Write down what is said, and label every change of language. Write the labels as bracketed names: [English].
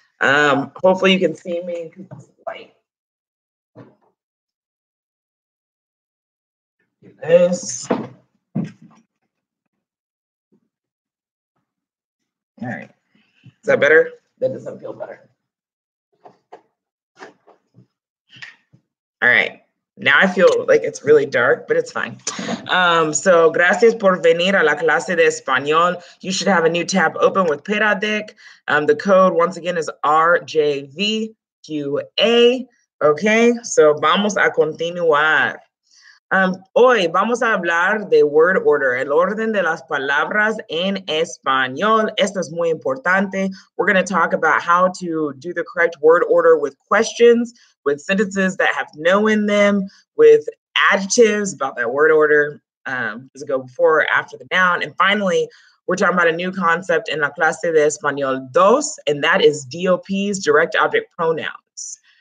[English] Hopefully you can see me. All right. Is that better? That doesn't feel better. All right. Now I feel like it's really dark, but it's fine. So [Spanish] gracias por venir a la clase de español. [English] You should have a new tab open with Peradec. The code once again is RJVQA. Okay, so [Spanish] vamos a continuar. Hoy vamos a hablar de [English] word order, [Spanish] el orden de las palabras en español. Esto es muy importante. [English] We're going to talk about how to do the correct word order with questions, with sentences that have no in them, with adjectives about that word order. Does it go before or after the noun? And finally, we're talking about a new concept in [Spanish] la clase de español [English] 2, and that is DOPs, direct object pronouns.